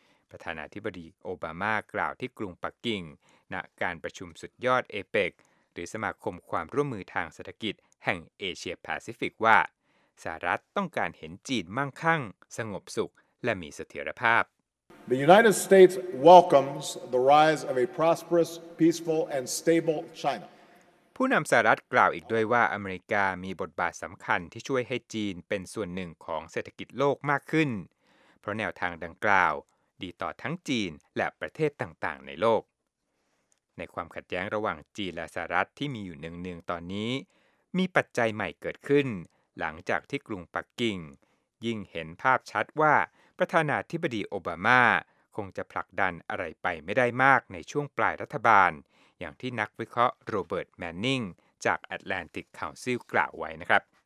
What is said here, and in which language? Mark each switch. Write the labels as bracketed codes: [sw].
[th] ประธานาธิบดีโอบามากล่าวที่กรุงปักกิ่งณการประชุมสุดยอดเอเปกหรือสมาคมความร่วมมือทางเศรษฐกิจแห่งเอเชียแปซิฟิกว่าสหรัฐต้องการเห็นจีนมั่งคั่งสงบสุขและมีเสถียรภาพ [en] The United States welcomes the rise of a prosperous, peaceful and stable China. [th] ผู้นำสหรัฐกล่าวอีกด้วยว่าอเมริกามีบทบาทสำคัญที่ช่วยให้จีนเป็นส่วนหนึ่งของเศรษฐกิจโลกมากขึ้นเพราะแนวทางดังกล่าวดีต่อทั้งจีนและประเทศต่างๆในโลก ในความขัดแย้งระหว่างจีนและสหรัฐที่มีอยู่เนืองๆตอนนี้มีปัจจัยใหม่เกิดขึ้นหลังจากที่กรุงปักกิ่งยิ่งเห็นภาพชัดว่าประธานาธิบดีโอบามาคงจะผลักดันอะไรไปไม่ได้มากในช่วงปลายรัฐบาลอย่างที่นักวิเคราะห์โรเบิร์ตแมนนิงจาก Atlantic Council กล่าวไว้นะครับ